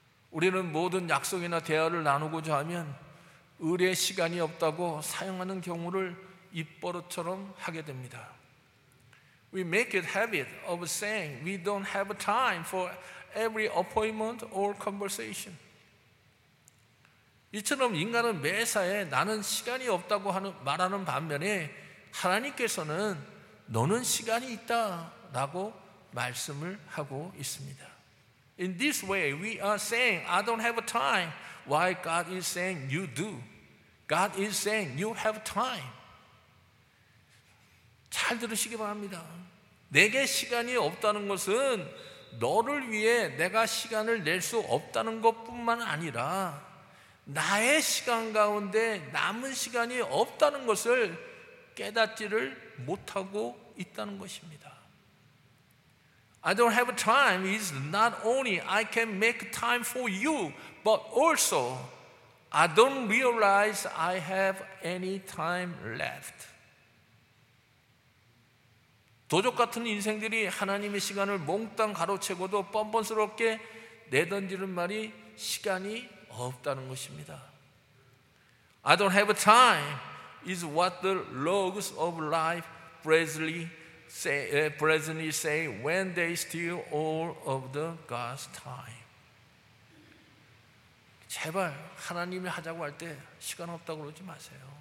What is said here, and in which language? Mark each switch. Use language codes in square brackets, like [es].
[ko] 우리는 모든 약속이나 대화를 나누고자 하면 의뢰 시간이 없다고 사용하는 경우를 입버릇처럼 하게 됩니다. [en] We make it habit of saying we don't have time for every appointment or conversation. [ko] 이처럼 인간은 매사에 나는 시간이 없다고 말하는 반면에 하나님께서는 너는 시간이 있다 라고 말씀을 하고 있습니다. [en] In this way we are saying I don't have time while God is saying you do. God is saying you have time. [ko] 잘 들으시기 바랍니다. 내게 시간이 없다는 것은 너를 위해 내가 시간을 낼 수 없다는 것뿐만 아니라 나의 시간 가운데 남은 시간이 없다는 것을 깨닫지를 못하고 있다는 것입니다. [en] I don't have time is not only I can make time for you, but also I don't realize I have any time left. [ko] 도적 같은 인생들이 하나님의 시간을 몽땅 가로채고도 뻔뻔스럽게 내던지는 말이 시간이 없다는 것입니다. [en] I don't have time is what the logs of life presently say when they steal all of the God's time. [ko] 제발 하나님이 하자고 할 때 시간 없다고 그러지 마세요.